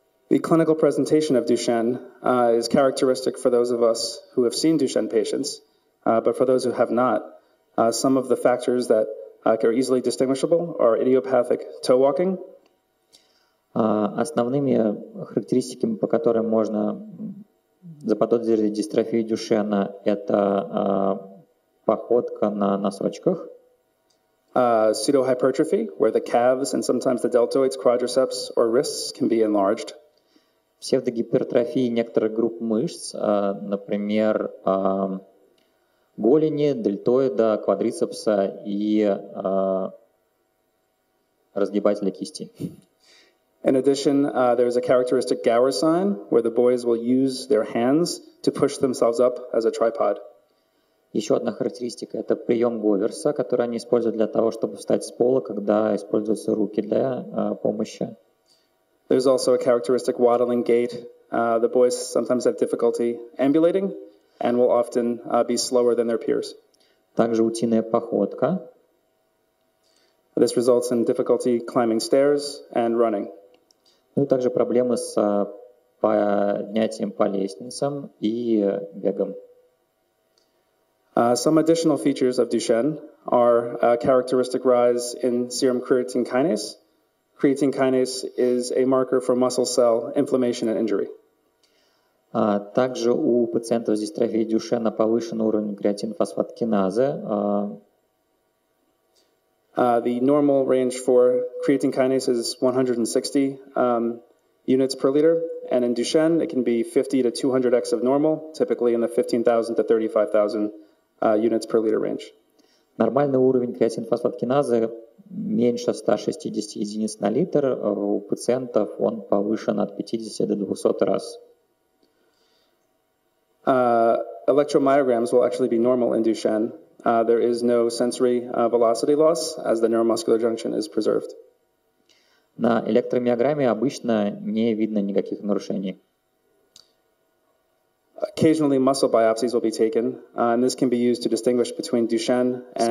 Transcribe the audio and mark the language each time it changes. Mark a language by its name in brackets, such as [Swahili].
[English] The clinical presentation of Duchenne is characteristic for those of us who have seen Duchenne patients, but for those who have not, some of the factors that are easily distinguishable are idiopathic toe walking. [Russian] Основными характеристиками, по которым можно заподозрить дистрофию Дюшена, это походка на носочках. [English] Pseudohypertrophy, where the calves and sometimes the deltoids, quadriceps, or wrists can be enlarged. [Russian] Псевдогипертрофия некоторых групп мышц, например, голени, дельтоида, квадрицепса и разгибателя кисти. [English] In addition, there is a characteristic Gower sign, where the boys will use their hands to push themselves up as a tripod. [Russian] Еще одна характеристика – это прием Говерса, который они используют для того, чтобы встать с пола, когда используются руки для помощи. [English] There's also a characteristic waddling gait. The boys sometimes have difficulty ambulating and will often be slower than their peers. [Russian] Также утиная походка. [English] This results in difficulty climbing stairs and running. [Russian] Ну и также проблемы с поднятием по лестницам и бегом. [English] Some additional features of Duchenne are a characteristic rise in serum creatine kinase. Creatine kinase is a marker for muscle cell inflammation and injury. [Russian] Также у пациентов с дистрофией Дюшена повышен уровень креатинфосфаткиназы. [English] The normal range for creatine kinase is 160 units per liter, and in Duchenne, it can be 50 to 200x of normal, typically in the 15,000 to 35,000 units per liter range. [Russian] Нормальный уровень креатинфосфаткиназы меньше 160 единиц на литр. У пациентов он повышен от 50 до 200 раз. [English] Electromyograms will actually be normal in Duchenne. There is no sensory velocity loss, as the neuromuscular junction is preserved. [Russian] На электромиограмме обычно не видно никаких нарушений. [English] Occasionally, muscle biopsies will be taken, and this can be used to distinguish between Duchenne and...